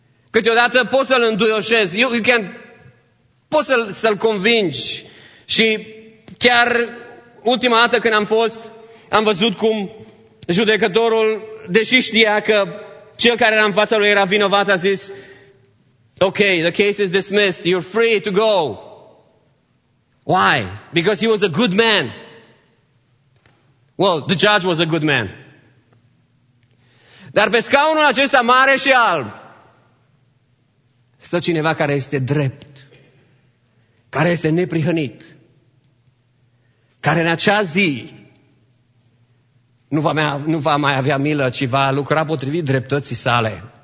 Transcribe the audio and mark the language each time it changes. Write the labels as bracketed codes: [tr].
[ro] Câteodată poți să-l înduioșezi, poți să-l convingi și chiar ultima dată când am fost, am văzut cum judecătorul, deși știa că cel care era în fața lui era vinovat, a zis, ok, the case is dismissed, you're free to go. [en] Why? Because he was a good man. Well, the judge was a good man. [ro] Dar pe scaunul acesta mare și alb, stă cineva care este drept, care este neprihănit, care în acea zi, nu va mai avea milă, ci va lucra potrivit dreptății sale.